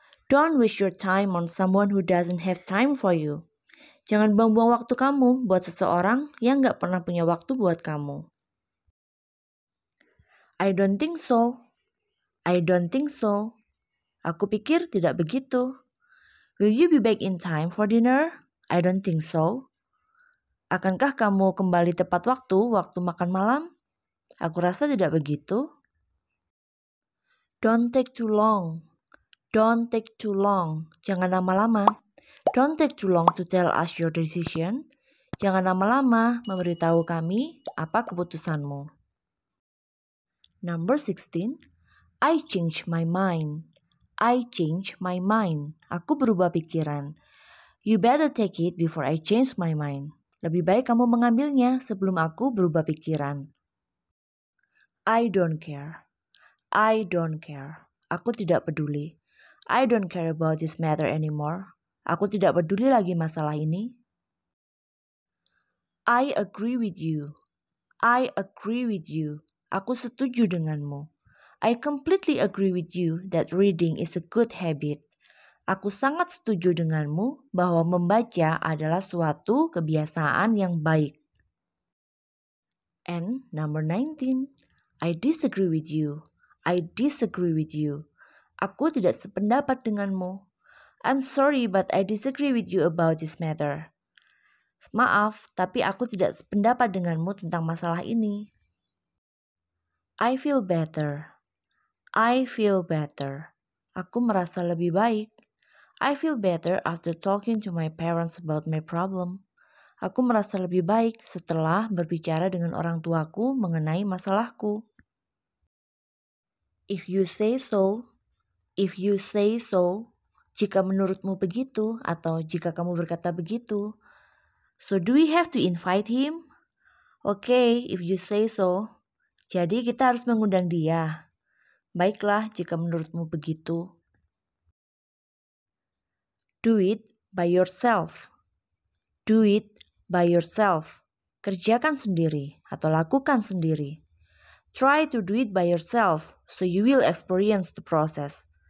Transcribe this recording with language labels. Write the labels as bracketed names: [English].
[English] Don't waste your time on someone who doesn't have time for you. [Indonesian] Jangan buang-buang waktu kamu buat seseorang yang gak pernah punya waktu buat kamu. [English] I don't think so. I don't think so. [Indonesian] Aku pikir tidak begitu. [English] Will you be back in time for dinner? I don't think so. [Indonesian] Akankah kamu kembali tepat waktu, waktu makan malam? Aku rasa tidak begitu. [English] Don't take too long. Don't take too long. [Indonesian] Jangan lama-lama. [English] Don't take too long to tell us your decision. [Indonesian] Jangan lama-lama memberitahu kami apa keputusanmu. [English] Number 16. I change my mind. I change my mind. [Indonesian] Aku berubah pikiran. [English] You better take it before I change my mind. [Indonesian] Lebih baik kamu mengambilnya sebelum aku berubah pikiran. [English] I don't care. I don't care. [Indonesian] Aku tidak peduli. [English] I don't care about this matter anymore. [Indonesian] Aku tidak peduli lagi masalah ini. [English] I agree with you. I agree with you. [Indonesian] Aku setuju denganmu. [English] I completely agree with you that reading is a good habit. [Indonesian] Aku sangat setuju denganmu bahwa membaca adalah suatu kebiasaan yang baik. [English] And number 19, I disagree with you. I disagree with you. [Indonesian] Aku tidak sependapat denganmu. [English] I'm sorry, but I disagree with you about this matter. [Indonesian] Maaf, tapi aku tidak sependapat denganmu tentang masalah ini. [English] I feel better. I feel better. [Indonesian] Aku merasa lebih baik. [English] I feel better after talking to my parents about my problem. [Indonesian] Aku merasa lebih baik setelah berbicara dengan orang tuaku mengenai masalahku. [English] If you say so, if you say so, [Indonesian] jika menurutmu begitu atau jika kamu berkata begitu, [English] so do we have to invite him? Okay, if you say so, [Indonesian] jadi kita harus mengundang dia. Baiklah, jika menurutmu begitu. [English] Do it by yourself. Do it by yourself. [Indonesian] Kerjakan sendiri atau lakukan sendiri. [English] Try to do it by yourself so you will experience the process.